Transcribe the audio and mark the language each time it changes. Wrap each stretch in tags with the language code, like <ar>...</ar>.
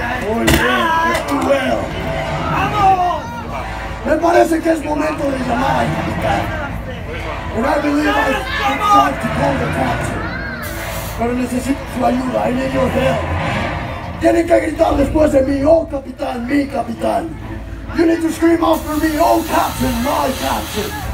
<es>Oh, me parece que es momento de llamar al capitán.</es> <en>And I believe I should start to call the captain.</en> <es>Pero necesito su ayuda,</es> <en>I need your help.</en> <es>Tienen que gritar después de mí, oh capitán, mi capitán.</es> <en>You need to scream after me, oh captain, my captain.</en>